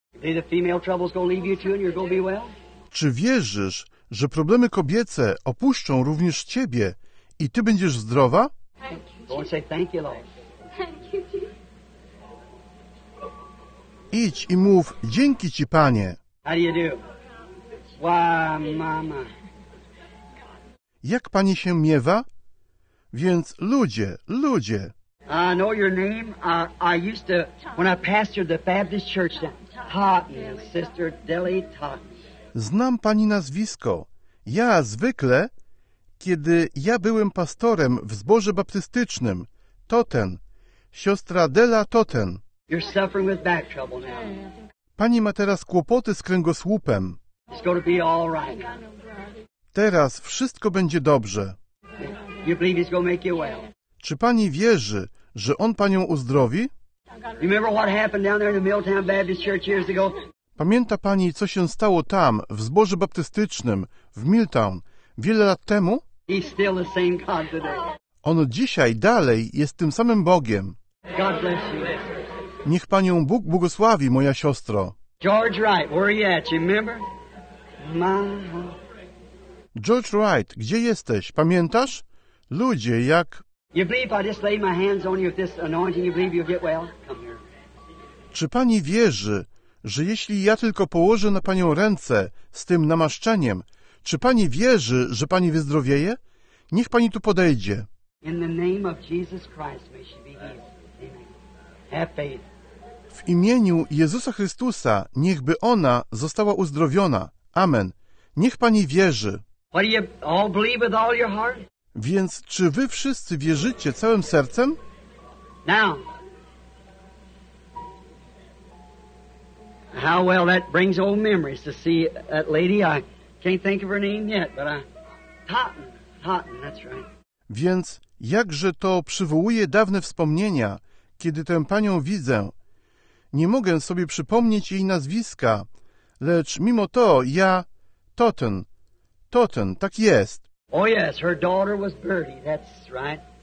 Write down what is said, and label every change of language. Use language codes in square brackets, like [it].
[en] The female trouble's gonna leave you too and you're gonna be well? [pl] Czy wierzysz, że problemy kobiece opuszczą również Ciebie i Ty będziesz zdrowa? [en] Go and say thank you, Lord. [pl] Idź i mów dzięki Ci, Panie. [en] How do you do? Wow, mama. [pl] Jak Pani się miewa? Więc ludzie, ludzie. [en] I know your name. I used to, when I pastored the Baptist church, Totten, Sister Dilly Totten. [pl] Znam Pani nazwisko. Ja zwykle, kiedy ja byłem pastorem w zborze baptystycznym, Totten, Siostra Della Totten. [en] You're suffering with back trouble now. [pl] Pani ma teraz kłopoty z kręgosłupem. [en] It's going to be all right. [pl] Teraz wszystko będzie dobrze. [en] You believe he's going to make you well? [pl] Czy pani wierzy, że on panią uzdrowi? [en] Remember what happened down there in the Milltown Baptist Church years ago? [pl] Pamięta pani, co się stało tam w zborze baptystycznym w Milltown wiele lat temu? [en] He's still the same God today. [pl] On dzisiaj dalej jest tym samym Bogiem. [en] God bless you. [pl] Niech panią Bóg błogosławi, moja siostro. [en] George Wright, where are you at? You remember? [pl] George Wright, gdzie jesteś? Pamiętasz? Ludzie, jak... [en] You believe I just lay my hands on you with this anointing, you believe you'll get well? Come here. [pl] Czy pani wierzy, że jeśli ja tylko położę na panią ręce z tym namaszczeniem, czy pani wierzy, że pani wyzdrowieje? Niech pani tu podejdzie. [en] In the name of Jesus Christ, may she be healed. Have faith. [pl] W imieniu Jezusa Chrystusa niechby ona została uzdrowiona. Amen. Niech pani wierzy. [en] What do you all believe with all your heart? [pl] Więc czy wy wszyscy wierzycie całym sercem? [en] Now, how well that brings old memories to see that lady. I can't think of her name yet, but I... Totten, that's right. [pl] Więc jakże to przywołuje dawne wspomnienia, kiedy tę panią widzę. Nie mogę sobie przypomnieć jej nazwiska, lecz mimo to ja... Totten, tak jest. [en] Oh yes, her daughter was Bertie, that's right.